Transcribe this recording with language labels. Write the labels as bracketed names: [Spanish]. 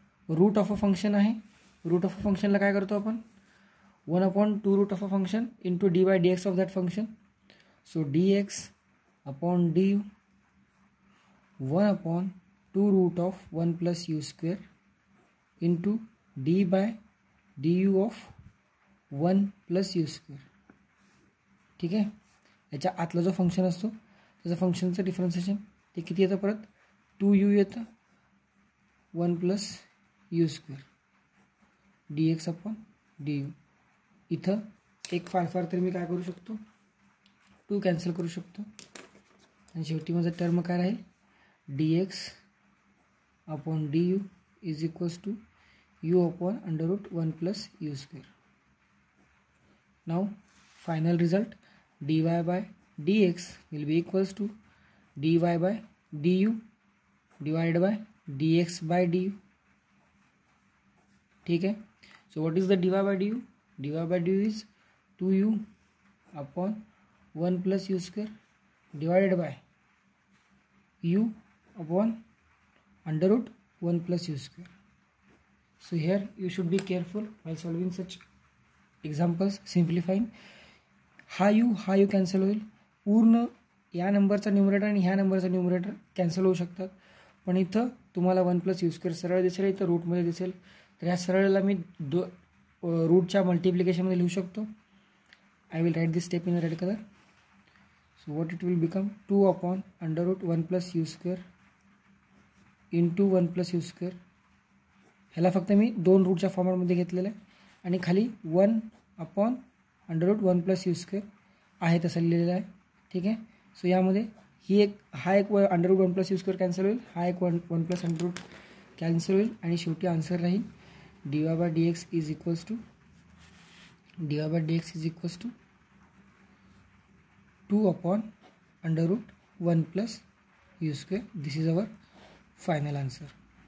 [English] root of a function आहे, root of a फंक्शनला [Marathi] काय करतो आपण, [English] One upon two root of a function into D by D X of that function. So D X upon D U one upon two root of one plus U square into D by D U of one plus U square. [Marathi] ठीक आहे, याच्या आतला जो function असतो त्याचं फंक्शनचं differentiation ते किती येतं, परत टू यू येतं one plus you square D x upon D you. इथं एक फार तरी मी काय करू शकतो, टू कॅन्सल करू शकतो आणि शेवटी माझं टर्म काय राहील, [English] D X upon D U is equals to U upon under root one plus U square. Now final result D Y by D X will be equals to D Y by D U divide by D X by D U. [Marathi] ठीक आहे, [English] So what is the D Y by D U, D Y by D U is two U upon one plus U square divided by U upon under root one plus U square. So here you should be careful while solving such examples simplifying. [Marathi] हा you cancel होईल, पूर्ण या नंबरचा numerator आणि ह्या नंबरचा numerator cancel होऊ शकतात, पण इथं तुम्हाला वन प्लस यू स्क्वेअर सरळ दिसेल, इथं रूटमध्ये दिसेल. तर ह्या सरळला मी रूटच्या मल्टिप्लिकेशनमध्ये लिहू शकतो. [English] I will write this step in red colour. So what it will become two upon under root one plus u square into one plus u square. [Marathi] ह्याला फक्त मी दोन रूटच्या फॉर्मॅटमध्ये घेतलेलं आहे आणि खाली one upon under route one plus you square आहे तसं लिहिलेलं आहे. ठीक आहे, सो यामध्ये ही एक हा एक under route one plus you square cancel होईल, हा एक one plus under route cancel होईल आणि शेवटी आन्सर राहील D y by D x is equals to D y by D x is equals to two upon under route one plus you square. [English] This is our final answer.